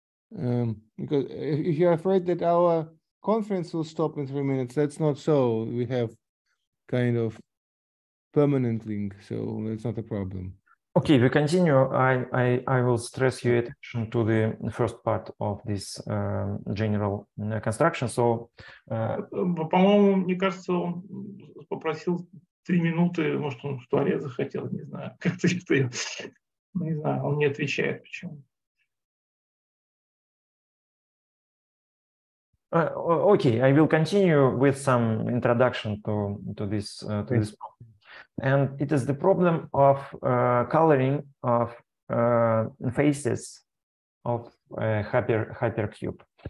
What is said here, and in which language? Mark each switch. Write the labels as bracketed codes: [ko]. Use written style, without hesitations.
[en] Because if you're afraid that our conference will stop in 3 minutes, that's not so. We have kind of permanent link, so it's not a problem. Okay, we continue. I will stress your attention to the first part of this general construction. So, [ru] по-моему, мне кажется, он попросил 3 минуты, может, он в туалет захотел, не знаю, как-то что-то, не знаю, он не отвечает почему. [en] Okay, I will continue with some introduction to this problem. And it is the problem of coloring of faces of a hypercube.